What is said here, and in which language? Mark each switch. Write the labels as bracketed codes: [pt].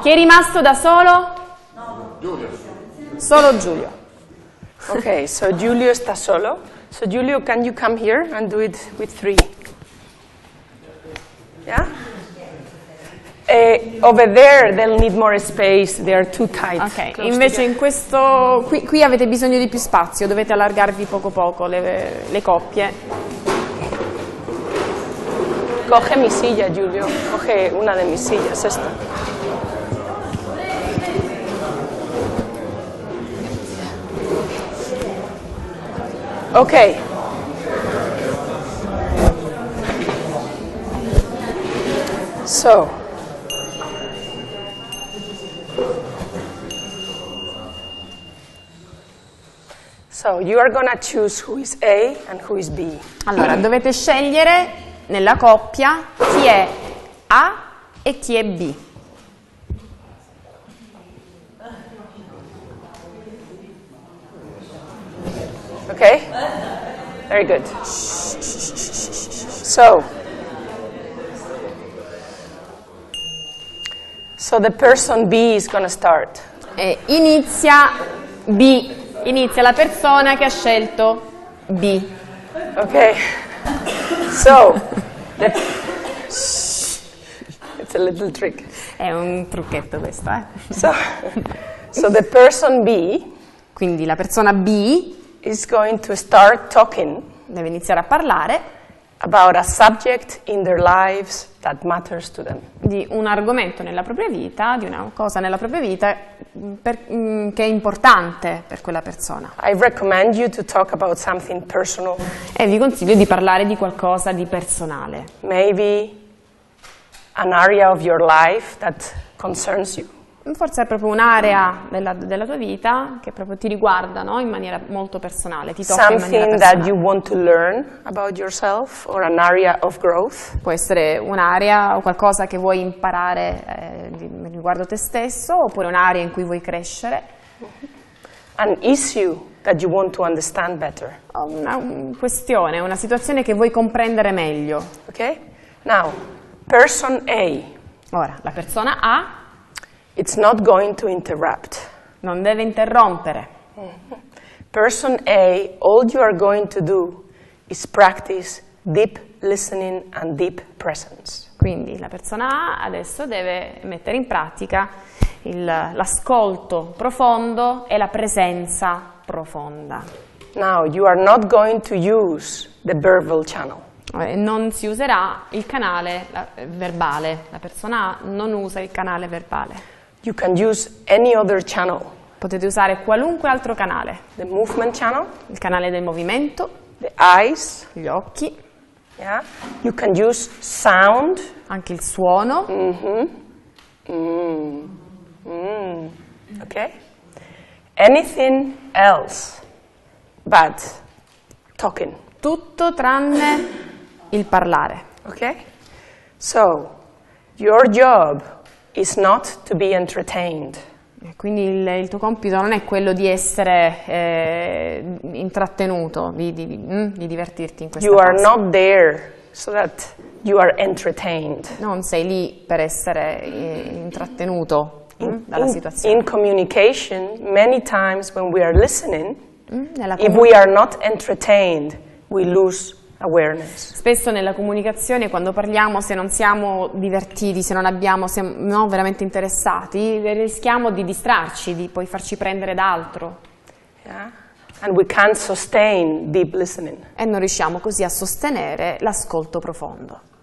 [it] Chi è rimasto da solo? Giulio. Solo Giulio. Ok, so Giulio sta solo. [en] So Giulio, can you come here and do it with three? Yeah? Over there they'll need more space, they are too tight. [it] Ok, invece in questo, qui avete bisogno di più spazio, dovete allargarvi poco le coppie. [es] Coge mi silla, Giulio, coge una de mis sillas, esta. Ok. So. [en] So, you are gonna choose who is A and who is B. [it] Allora, dovete scegliere nella coppia chi è A e chi è B. [en] Ok? Very good. So the person B is gonna start. [it] E inizia B. Inizia la persona che ha scelto B. [en] Ok. So the it's a little trick. [it] È un trucchetto questo, eh. [en] So the person B. [it] Quindi la persona B [en] is going to start talking. [it] Deve iniziare a parlare [en] about a subject in their lives that matters to them. [it] Di un argomento nella propria vita, di una cosa nella propria vita che è importante per quella persona. [en] I recommend you to talk about something personal. [it] E vi consiglio di parlare di qualcosa di personale. [en] Maybe an area of your life that concerns you. [it] Forse è proprio un'area della tua vita che proprio ti riguarda, no? In maniera molto personale, ti tocca [en] something [it] in maniera personale. [en] That you want to learn about yourself or an area of growth. [it] Può essere un'area o qualcosa che vuoi imparare riguardo te stesso, oppure un'area in cui vuoi crescere. [en] An issue that you want to understand better. [it] Una questione, una situazione che vuoi comprendere meglio. [en] Ok? Now, person A. [it] Ora, la persona A. [en] It's not going to interrupt. [it] Non deve interrompere. [en] Person A, all you are going to do is practice deep listening and deep presence. [it] Quindi la persona A adesso deve mettere in pratica l'ascolto profondo e la presenza profonda. [en] Now you are not going to use the verbal channel. [it] Non si userà il canale verbale. La persona A non usa il canale verbale. [en] You can use any other channel. [it] Potete usare qualunque altro canale. [en] The movement channel. [it] Il canale del movimento. [en] The eyes. [it] Gli occhi. [en] Yeah. You can use sound. [it] Anche il suono. [en] Okay. Anything else but talking. [it] Tutto tranne il parlare. Okay. [en] So, your job is not to be entertained. [it] Quindi il tuo compito non è quello di essere intrattenuto, di divertirti in questa [en] cosa. You are not there so that you are entertained. [it] Non sei lì per essere intrattenuto dalla situazione. [en] In communication, many times when we are listening, if we are not entertained, we lose awareness. [it] Spesso nella comunicazione, quando parliamo, se non siamo divertiti, se non abbiamo, se no, veramente interessati, rischiamo di distrarci, di poi farci prendere da altro. [en] Yeah. And we can't sustain deep listening. [it] E non riusciamo così a sostenere l'ascolto profondo.